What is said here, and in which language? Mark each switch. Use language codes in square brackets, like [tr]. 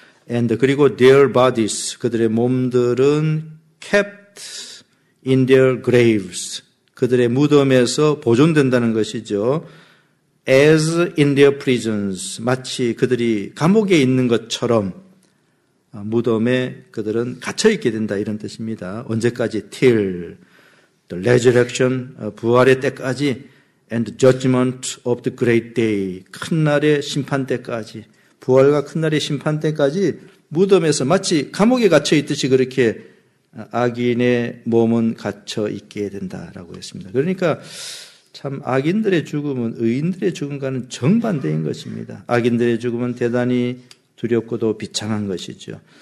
[en] And [ko] 그리고 [en] their bodies [ko] 그들의 몸들은 [en] kept in their graves [ko] 그들의 무덤에서 보존된다는 것이죠. [en] As in their prisons [ko] 마치 그들이 감옥에 있는 것처럼 무덤에 그들은 갇혀 있게 된다 이런 뜻입니다. 언제까지 [en] till the resurrection [ko] 부활의 때까지 [en] and judgment of the great day [ko] 큰 날의 심판 때까지. 부활과 큰날의 심판 때까지 무덤에서 마치 감옥에 갇혀 있듯이 그렇게 악인의 몸은 갇혀 있게 된다라고 했습니다. 그러니까 참 악인들의 죽음은 의인들의 죽음과는 정반대인 것입니다. 악인들의 죽음은 대단히 두렵고도 비참한 것이죠.